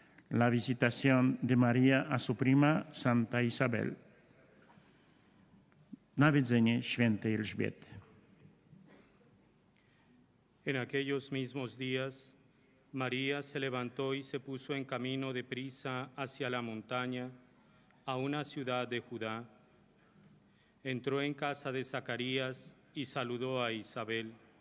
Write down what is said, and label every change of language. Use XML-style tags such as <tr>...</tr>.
<es>la visitación de María a su prima Santa Isabel.</es> <pl>Navidzenie świętej Elżbiety.</pl> <es>En aquellos mismos días, María se levantó y se puso en camino de prisa hacia la montaña, a una ciudad de Judá. Entró en casa de Zacarías y saludó a Isabel.</es>